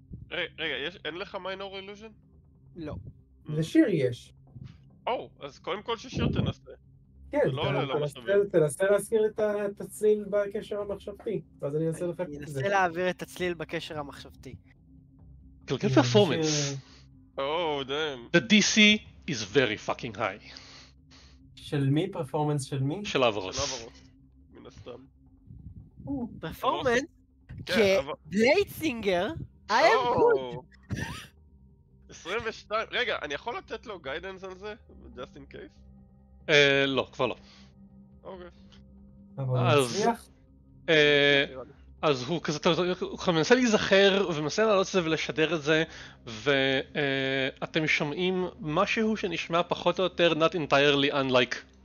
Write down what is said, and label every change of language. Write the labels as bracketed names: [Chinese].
[Hebrew] רגע, אין לך מיינור אילוז'ן? לא. לשיר יש. או, אז קודם כל ששיר תנסה. כן, תנסה להזכיר את הצליל בקשר המחשבתי, ואז אני אנסה לך את זה. אני אנסה להעביר את הצליל בקשר המחשבתי. קלקל פרפורמנס. או, דאם. [English] The DC is very fucking high. [Hebrew] של מי? פרפורמנס של מי? של אברוס. מן הסתם. פרפורמנס? [English] כבלייטסינגר, I am good. [Hebrew] 22, רגע, אני יכול לתת לו גיידנס על זה? [English] Just in case? [Hebrew] לא, כבר לא. אוקיי. אז הוא כזה, הוא כבר מנסה להיזכר ומנסה לעלות את זה ולשדר את זה, ואתם שומעים משהו שנשמע פחות או יותר [English] not entirely unlike.